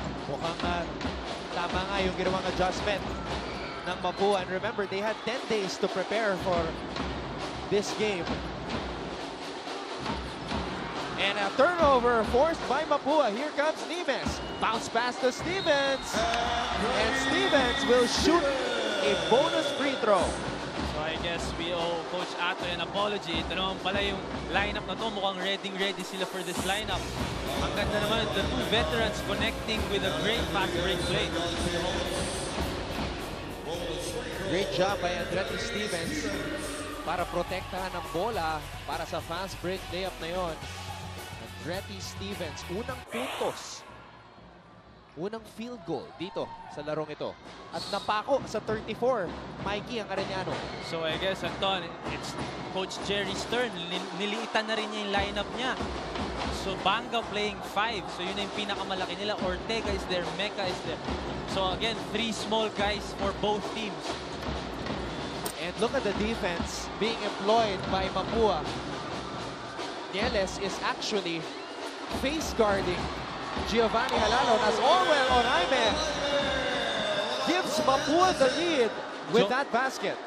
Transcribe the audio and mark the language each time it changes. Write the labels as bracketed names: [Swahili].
[Filipino] Mukhang tama nga yung ginawang adjustment ng Mapua. [English] And remember, they had 10 days to prepare for this game. And a turnover forced by Mapua. Here comes Nimes. Bounce pass to Stevens. And Stevens will shoot a bonus free throw. So I guess we owe Coach Atoy an apology. [Filipino] Ito naman pala yung lineup na to. Mukhang ready sila for this lineup. Ang ganda naman, [English] the two veterans connecting with a great fast break play. Great job by [Filipino] Andretti Stevens para protektahan ang bola para sa fast break layup na yon. Andretti Stevens, unang puntos. Unang field goal dito sa larong ito. At napako sa 34, Mikey ang Arellano. [English] So I guess, Anton, it's Coach Jerry's turn. [Filipino] Nilitan na rin niya yung lineup niya. [English] So Banga playing five. [Filipino] So yun na yung pinakamalaki nila. [English] Ortega is there, Mecca is there. So again, three small guys for both teams. And look at the defense being employed by Mapua. Nieles is actually face guarding Giovanni Halalon as Orwell Oraime gives Mapua the lead with that basket.